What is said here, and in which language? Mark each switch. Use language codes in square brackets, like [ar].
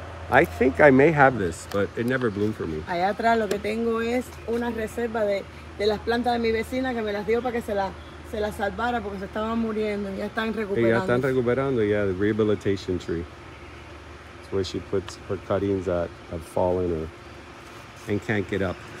[en] I think I may have this, but it never bloomed for me. [es] Allá atrás lo que tengo es una reserva de las plantas de mi vecina que me las dio para que se la salvara porque se estaban muriendo. Ya están recuperando. Ya están recuperando, [en] yeah, the rehabilitation tree. It's where she puts her cuttings that have fallen or, and can't get up.